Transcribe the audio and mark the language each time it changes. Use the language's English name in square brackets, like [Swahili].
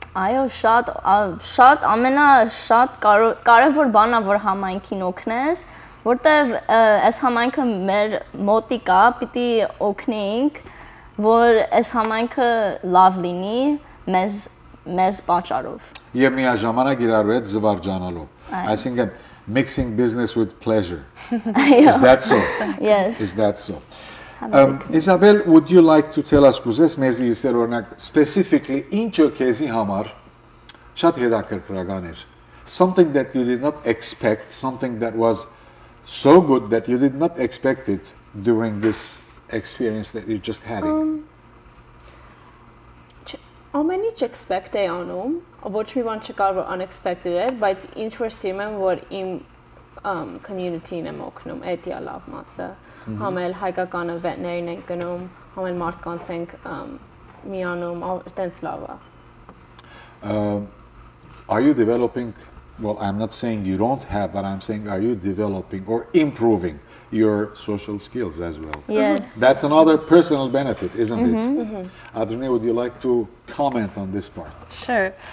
[Armenian] Այո, շատ շատ ամենա շատ կարևոր բանն է, որ համայնքին օգնես, որտեղ այս համայնքը մեր մոտիկ է, պիտի օգնենք, որ այս համայնքը լավ լինի մեզ պատճառով։ Եվ միաժամանակ իրար հետ զվարճանալով։ Այսինքն [English] mixing business with pleasure. [Armenian] Այո։ [English] Is that so? Yes. Is that so? Isabel, would you like to tell us, [Armenian] kuzes mezi isel ornak [English] specifically [Armenian] inch-ը քեզի համար շատ հետաքրքրական էր, [English] something that you did not expect, something that was so good that you did not expect it during this experience that you're just having? [Armenian] Ամենից expect-ը անում, ոչ մի բան չկար որ unexpected էր, բայց ինչ որ սիրում եմ, որ իմ community-ն եմ օգնում, այդ է լավ մասը։ Համել հայկական event-ներին ենք գնում, համել մարդկանց ենք միանում, այդտենց լավ է։ [English] Are you developing, well, I'm not saying you don't have, but I'm saying are you developing or improving your social skills as well? Yes. That's another personal benefit, isn't it? Adrine, would you like to comment on this part? Sure.